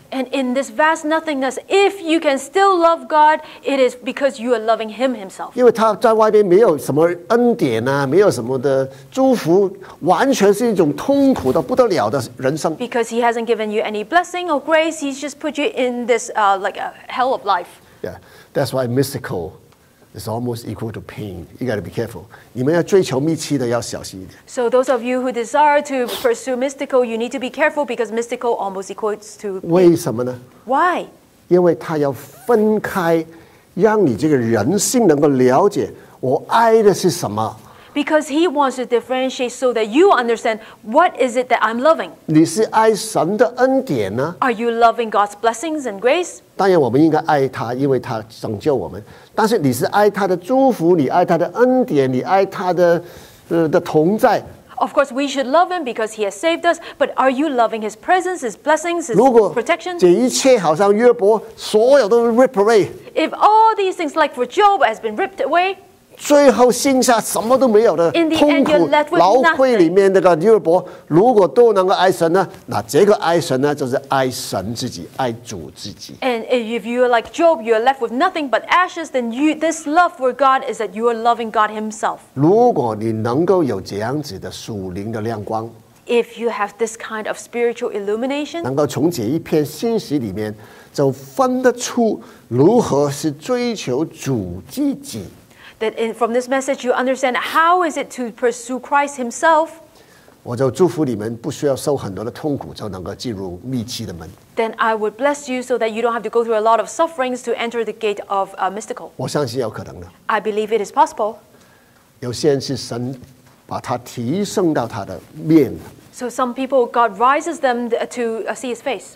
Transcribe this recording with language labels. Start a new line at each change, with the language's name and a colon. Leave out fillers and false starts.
English: And in this vast nothingness, if you can still love God, it is because you are loving Him Himself.
Chinese: 因为他在外边没有什么恩典啊，没有什么的祝福，完全是一种痛苦的不得了的人生。
English: Because He hasn't given you any blessing or grace, He's just put you in this like a hell of life. Yeah, that's why mystical is almost equal to pain. You got to be careful.
Chinese: 你们要追求蜜期的要小心一点。
English: So those of you who desire to pursue mystical, you need to be careful because mystical almost equals to pain.
Chinese: 为什么呢？
English: Why?
Chinese: 因为它要分开，让你这个人性能够了解我爱的是什么。
English: Because he wants to differentiate so that you understand what is it that I'm loving.
Chinese: 你是爱神的恩典呢？
English: Are you loving God's blessings and grace?
Chinese: 当然我们应该爱他，因为他拯救我们。但是你是爱他的祝福，你爱他的恩典，你爱他的的同在。
English: Of course, we should love him because he has saved us. But are you loving his presence, his blessings, his protection?
Chinese: 这一切好像约伯，所有都
English: rip away. If all these things, like for Job, has been ripped away,
Chinese: 最后剩下什么都没有的痛苦劳苦里面的约伯，如果都能够爱神呢？那这个爱神呢，就是爱神自己，爱主自己。
English: And if you are like Job, you are left with nothing but ashes. Then you, this love for God is that you are loving God Himself.
Chinese: 如果你能够有这样子的属灵的亮光，
English: if you have this kind of spiritual illumination,
Chinese: 能够从这一篇信息里面就分得出如何是追求主自己。
English: That in, from this message, you understand how is it to pursue Christ Himself.
Chinese: 我就祝福你们不需要受很多的痛苦就能够进入蜜期的门。
English: Then I would bless you so that you don't have to go through a lot of sufferings to enter the gate of mystical.
Chinese: 我相信有可能的。
English: I believe it is possible.
Chinese: 有些人是神把他提升到他的面。
English: So some people, God rises them to see His face.